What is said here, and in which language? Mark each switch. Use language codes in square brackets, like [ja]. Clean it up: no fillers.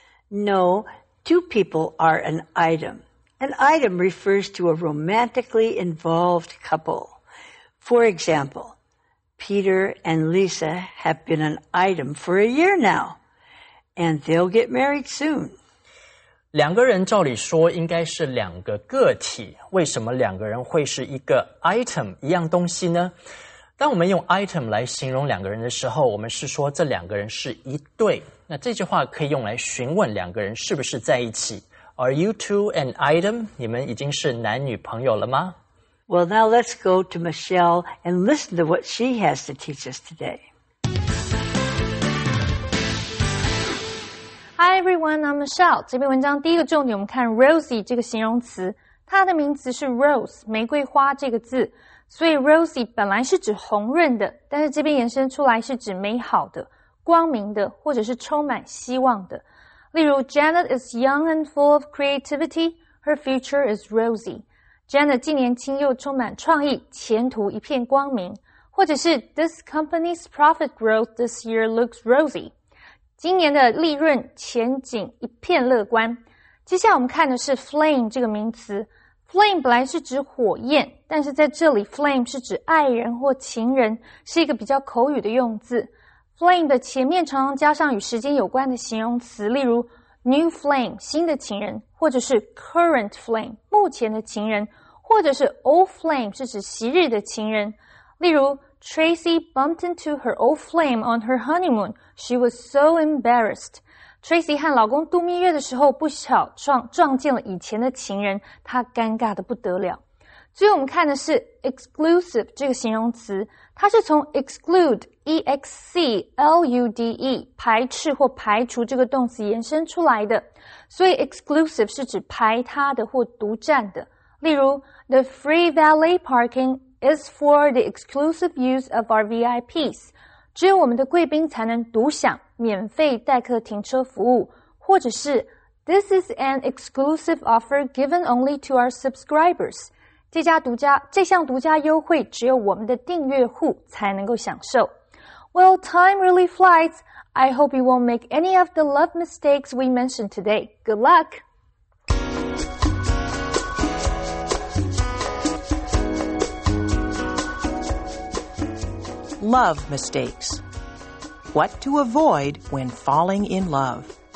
[en] No, two people are an item. An item refers to a romantically involved couple. For example, Peter and Lisa have been an item for a year now, and they'll get married soon. [zh] 两个人照理说应该是两个个体，为什么两个人会是一个 item, 一样东西呢？当我们用 item 来形容两个人的时候，我们是说这两个人是一对。那这句话可以用来询问两个人是不是在一起。 [en] Are you two an item? [zh] 你们已经是男女朋友了吗？ [en] Well, now let's go to Michelle and listen to what she has to teach us today. Hi everyone, I'm Michelle. [zh] 这篇文章第一个重点我们看 Rosie 这个形容词。它的名词是 rose, 玫瑰花这个字。所以 rosy 本来是指红润的，但是这边延伸出来是指美好的、光明的，或者是充满希望的。例如 [en] Janet is young and full of creativity, her future is rosy. [zh] Janet 既年轻又充满创意，前途一片光明。或者是 [en] This company's profit growth this year looks rosy. [zh] 今年的利润前景一片乐观。接下来我们看的是 flame 这个名词。Flame 本来是指火焰，但是在这里 flame 是指爱人或情人，是一个比较口语的用字。 Flame 的前面常常加上与时间有关的形容词，例如 new flame 新的情人，或者是 current flame 目前的情人，或者是 old flame 是指昔日的情人。例如 [en] Tracy bumped into her old flame on her honeymoon. She was so embarrassed. [zh] Tracy 和老公度蜜月的时候不巧撞见了以前的情人，她尴尬得不得了。最后我们看的是 exclusive 这个形容词，它是从 exclude, E-X-C-L-U-D-E, 排斥或排除这个动词延伸出来的。所以 exclusive 是指排他的或独占的。例如 [en] ,The free valet parking is for the exclusive use of our VIPs. [zh] 只有我们的贵宾才能独享。免费代客停车服务，或者是 [en] This is an exclusive offer given only to our subscribers. [zh] 这项独家优惠只有我们的订阅户才能够享受。 [en] Well, time really flies. I hope you won't make any of the love mistakes we mentioned today. Good luck! Love mistakes. What to avoid when falling in love.